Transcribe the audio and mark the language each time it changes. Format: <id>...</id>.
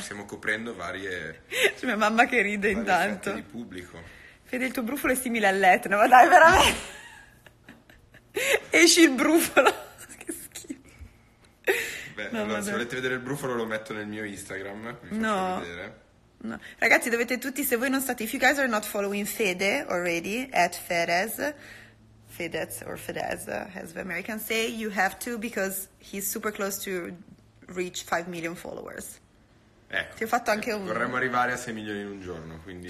<it>Stiamo coprendo varie... C'è mia mamma che ride intanto. Di pubblico. Fede, il tuo brufolo è simile all'Etna, ma dai, veramente... Esci il brufolo. Che schifo. Beh, no, allora, se volete vedere il brufolo lo metto nel mio Instagram. No. No. Ragazzi, dovete tutti, se voi non state,</it> <en>if you guys are not following Fede already at Fedez, Fedez or Fedez, as the Americans say, you have to, because he's super close to reach 5 million followers.</en> <it>Ecco. Ti ho fatto anche un... Vorremmo arrivare a 6 milioni in un giorno, quindi</it>